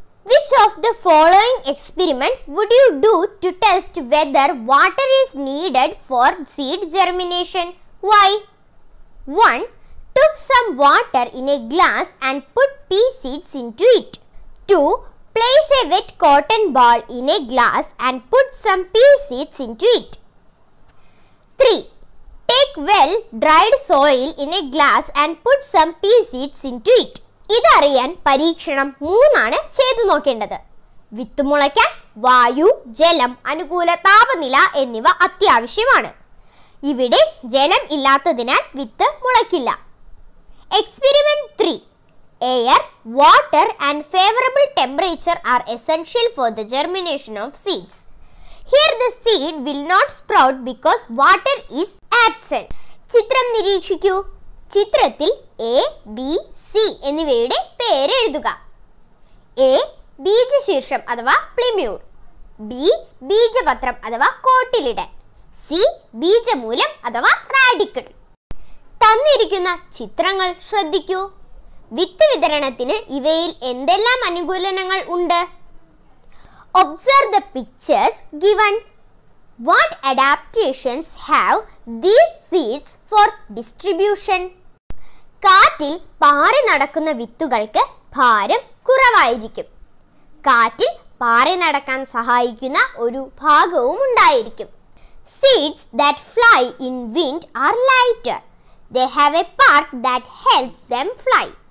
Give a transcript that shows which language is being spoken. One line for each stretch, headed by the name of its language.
English: Which of the following experiment would you do to test whether water is needed for seed germination? Why? One, took some water in a glass and put pea seeds into it. Two, place a wet cotton ball in a glass and put some pea seeds into it. Three, Take well dried soil in a glass and put some pea seeds into it.
Malayalam: ഇത് അറിയാൻ പരീക്ഷണം 3 ആണ് ചെയ്തു നോക്കേണ്ടത്. വിത്ത് മുളയ്ക്കാൻ വായു, ജലം, അനുകൂല താപനില എന്നിവ അത്യാവശ്യമാണ്. ഇവിടെ ജലം ഇല്ലാത്തതിനാൽ വിത്ത് മുളയ്ക്കില്ല. Experiment 3.
English: Air, water and favourable temperature are essential for the germination of seeds. Here the seed will not sprout because water is absent.
Malayalam: ചിത്രം നിരീക്ഷിക്കൂ. ചിത്രത്തിൽ എ, ബി, സി എന്നിവയുടെ പേര് എഴുതുക. എ, ബീജശീർഷം അഥവാ പ്ലിമ്യൂൾ. ബി, ബീജപത്രം അഥവാ കോട്ടിലിടൻ. സി, ബീജമൂലം അഥവാ radical. തന്നിരിക്കുന്ന ചിത്രങ്ങൾ ശ്രദ്ധിക്കൂ. വിത്ത് വിതരണത്തിന് ഇവയിൽ എന്തെല്ലാം അനുകൂലനങ്ങൾ ഉണ്ട്?
English: observe the pictures given. What adaptations have these seeds for distribution?
Malayalam: കാറ്റിൽ പാറി നടക്കുന്ന വിത്തുകൾക്ക് ഭാരം കുറവായിരിക്കും. കാറ്റിൽ പാറി നടക്കാൻ സഹായിക്കുന്ന ഒരു ഭാഗവും ഉണ്ടായിരിക്കും.
English: Seeds that fly in wind are lighter. They have a part that helps them fly.